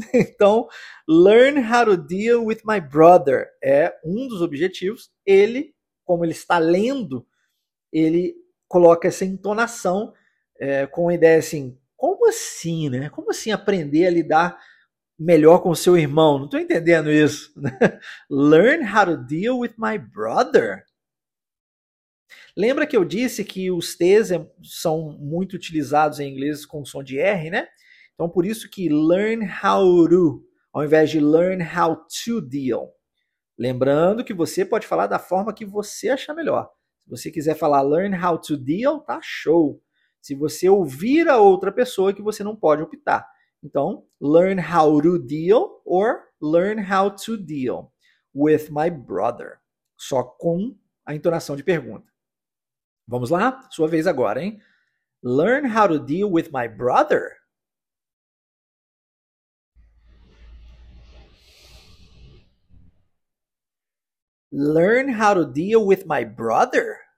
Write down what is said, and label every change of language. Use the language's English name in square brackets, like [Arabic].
[Portuguese] Então, [English] learn how to deal with my brother [Portuguese] é um dos objetivos. Ele, como ele está lendo, ele coloca essa entonação com a ideia assim: como assim, né? Como assim aprender a lidar melhor com o seu irmão? Não estou entendendo isso. [English] Learn how to deal with my brother. [Portuguese] Lembra que eu disse que os T's são muito utilizados em inglês com som de R, né? Então, por isso que [English] learn how to, [Portuguese] ao invés de [English] learn how to deal. [Portuguese] Lembrando que você pode falar da forma que você achar melhor. Se você quiser falar [English] learn how to deal, [Portuguese] tá show. Se você ouvir a outra pessoa, que você não pode optar. Então, [English] learn how to deal or learn how to deal with my brother. [Portuguese] Só com a entonação de pergunta. Vamos lá? Sua vez agora, hein? [English] Learn how to deal with my brother? Learn how to deal with my brother?